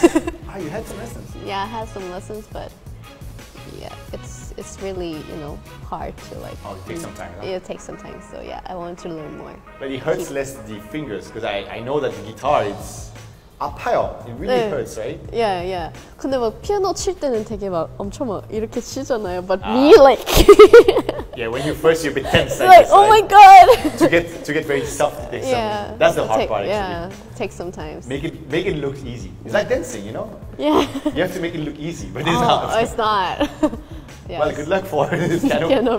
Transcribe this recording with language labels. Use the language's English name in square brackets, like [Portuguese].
[English] Ah, you had some lessons. Yeah, I had some lessons, but yeah, it's really, you know, hard to like. Oh, it takes some time. Huh? It takes some time, so yeah, I want to learn more. But it hurts less the fingers, because I know that the guitar, it's [Korean] 아파요. [English] It really 네. Hurts, right? Yeah, yeah. [Korean] 근데 막 피아노 칠 때는 되게 막 엄청 막 이렇게 치잖아요. [English] But me, like. Yeah, when you first, you're a bit tense. Like, oh my god! To get very soft, it takes yeah. some. That's the hard part, actually. Yeah, takes some time. Make it look easy. It's like dancing, you know? Yeah. You have to make it look easy, but it's not. Oh, it's not. Yes. Well, good luck for this kind of.